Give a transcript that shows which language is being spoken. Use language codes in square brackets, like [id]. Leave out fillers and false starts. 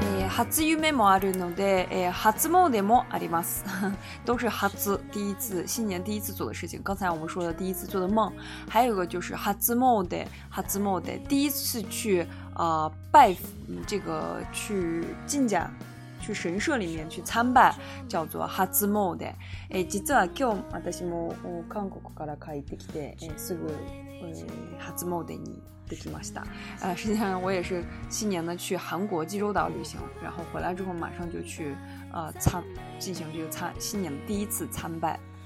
[ja] 初ゆめもあるので、初詣もあります。 [zh] 都是初，第一次，新年第一次做的事情。刚才我们说的第一次做的梦，还有一个就是初詣，第一次去拜这个去神社，去神社里面去参拜，叫做初詣。 [ja] 実は今日私も韓国から帰ってきて、すぐ初詣に。できました。 [zh] 实际上我也是新年呢去韩国济州岛旅行，然后回来之后马上就去进行这个新年第一次参拜。